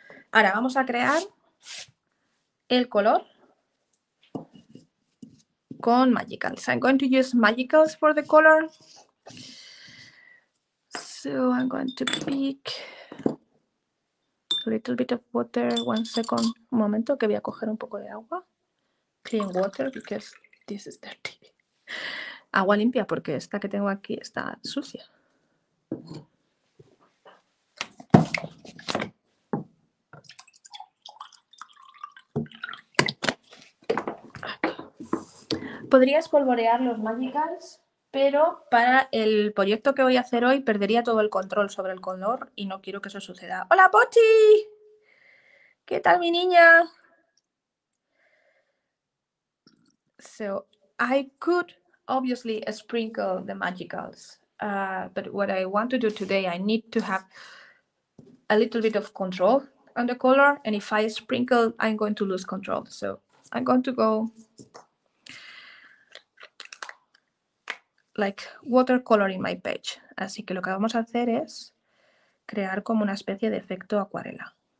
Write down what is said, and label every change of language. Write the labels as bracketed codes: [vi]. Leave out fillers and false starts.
[es] Ahora vamos a crear el color con magicals. [en] I'm going to use magicals for the color. So I'm going to pick a little bit of water. One second. [es] Un momento que voy a coger un poco de agua. [en] Clean water because this is dirty. [es] Agua limpia porque esta que tengo aquí está sucia. Podría espolvorear los Magicals, pero para el proyecto que voy a hacer hoy perdería todo el control sobre el color y no quiero que eso suceda. ¡Hola, Pochi! ¿Qué tal, mi niña? [en] So, I could obviously sprinkle the Magicals, but what I want to do today, I need to have a little bit of control on the color, and if I sprinkle, I'm going to lose control. So, I'm going to go like watercolor in my page. [es] Así que lo que vamos a hacer es crear como una especie de efecto acuarela.